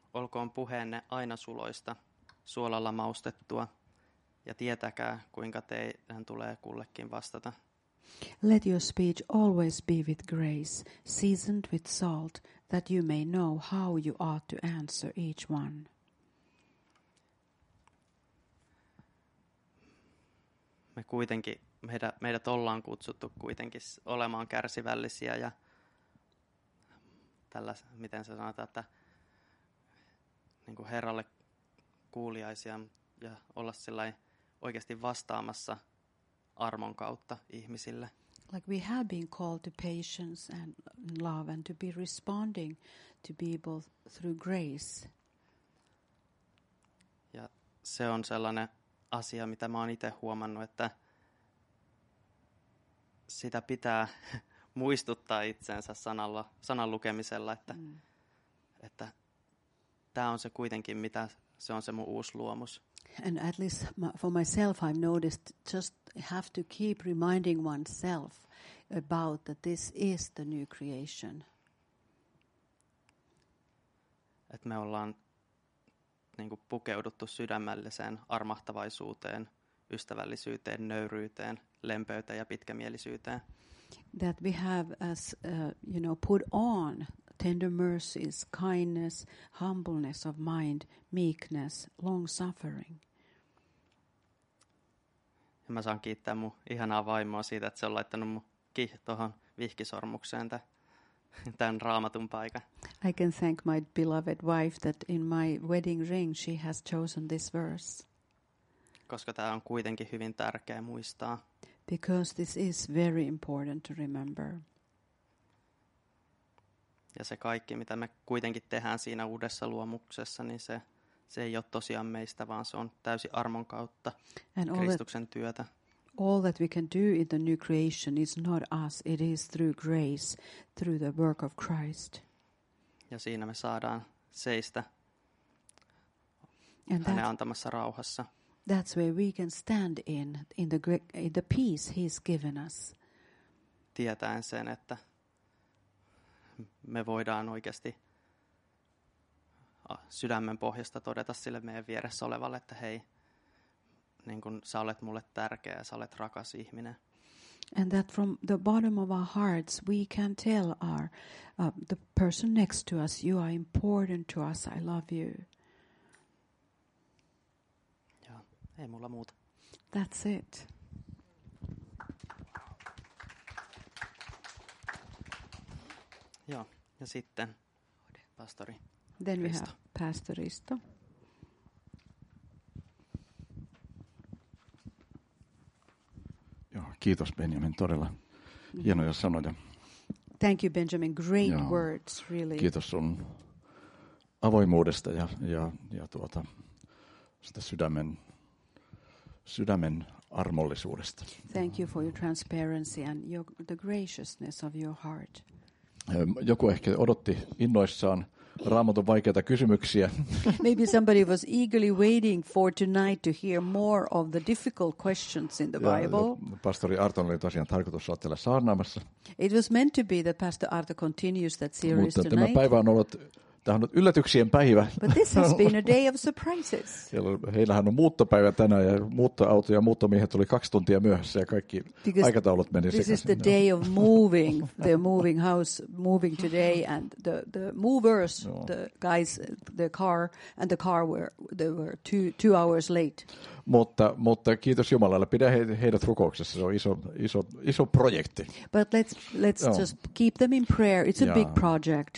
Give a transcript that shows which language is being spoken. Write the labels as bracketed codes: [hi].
[fi] Olkoon puheenne aina suloista, suolalla maustettua, ja tietäkää, kuinka teidän tulee kullekin vastata. [en] Let your speech always be with grace, seasoned with salt, that you may know how you ought to answer each one. [fi] Me kuitenkin, meidät ollaan kutsuttu kuitenkin olemaan kärsivällisiä ja tällä, miten se sanotaan, että niin kuin Herralle kuuliaisia ja olla sillä oikeasti vastaamassa armon kautta ihmisille. [en] Like we have been called to patience and love and to be responding to people through grace. [fi] Ja se on sellainen asia, mitä mä oon itse huomannut, että sitä pitää muistuttaa itsensä sanan lukemisella, että että tää on se kuitenkin, mitä se on se mun uusi luomus. [en] And at least for myself, I've noticed just have to keep reminding oneself about that this is the new creation. [fi] Et me ollaan niinku pukeuduttu sydämelliseen armahtavaisuuteen, ystävällisyyteen, nöyryyteen, lempöyteen ja pitkämielisyyteen. [en] That we have, as you know, put on tender mercies, kindness, humbleness of mind, meekness, long suffering. [fi] Ja mä saan kiittää mun ihanaa vaimoa siitä, että se on laittanut mun tuohon vihkisormukseen tämän raamatun paikan. [en] I can thank my beloved wife that in my wedding ring she has chosen this verse. [fi] Koska tämä on kuitenkin hyvin tärkeä muistaa. [en] Because this is very important to remember. [fi] Ja se kaikki, mitä me kuitenkin tehdään siinä uudessa luomuksessa, niin se ei ole tosiaan meistä, vaan se on täysin armon kautta [en] and [fi] Kristuksen työtä. [en] All that we can do in the new creation is not us, it is through grace, through the work of Christ. [fi] Ja siinä me saadaan seistä [en] and [fi] hänen antamassa rauhassa. [en] That's where we can stand in the peace he's given us. [fi] Tietäen sen, että me voidaan oikeasti sydämen pohjasta todeta sille meidän vieressä olevalle, että hei, niin kuin sä olet mulle tärkeä, sä olet rakas ihminen. [en] And that from the bottom of our hearts we can tell our the person next to us, you are important to us, I love you. [fi] Joo, ei mulla muuta. [en] That's it. [fi] Joo, ja sitten pastori. [en] Then we have Pastor Risto. [fi] Kiitos Benjamin, todella hienoja sanoja. [en] Thank you Benjamin, great [fi] ja [en] words, really. [fi] Kiitos sun avoimuudesta ja tuota sitä sydämen armollisuudesta. [en] Thank you for your transparency and the graciousness of your heart. [fi] Joku ehkä odotti innoissaan Raamatun vaikeita kysymyksiä. [en] Maybe somebody was eagerly waiting for tonight to hear more of the difficult questions in the Bible. [fi] Pastori Arto oli tosiaan tarkoitus olla täällä saarnaamassa. [en] It was meant to be that Pastor Arto continues that series [fi] mutta [en] tonight. [fi] Mutta tämä päivä on ollut, tämä on ollut yllätyksien päivä. [en] But this has been a day of surprises. [fi] Heillähän on muuttopäivä tänään ja muuttoauto ja muuttomiehet oli 2 tuntia myöhässä ja kaikki [en] because [fi] aikataulut meni [en] this [fi] sekaisin. [en] This is the day of moving, the moving house, moving today and the movers, the guys, the car and the car were, they were two hours late. [fi] Mutta kiitos Jumalalle, pidä heidät rukouksessa, se on iso projekti. [en] But let's just keep them in prayer, it's a big project.